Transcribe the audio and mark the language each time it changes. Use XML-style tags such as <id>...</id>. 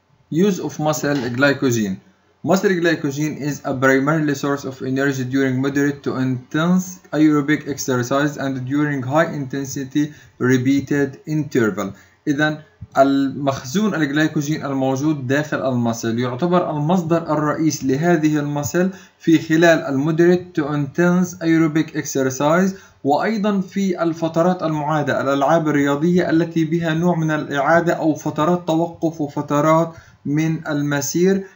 <en>Use of muscle glycogen. Muscle glycogen is a primary source of energy during moderate to intense aerobic exercise and during high intensity repeated interval.</en> <ar>إذا المخزون الجلايكوجين الموجود داخل المسل يعتبر المصدر الرئيس لهذه المسل في خلال</ar> <en>moderate to intense aerobic exercise،</en> <ar>وأيضا في الفترات المعادة الألعاب الرياضية التي بها نوع من الإعادة أو فترات توقف وفترات من المسير.</ar>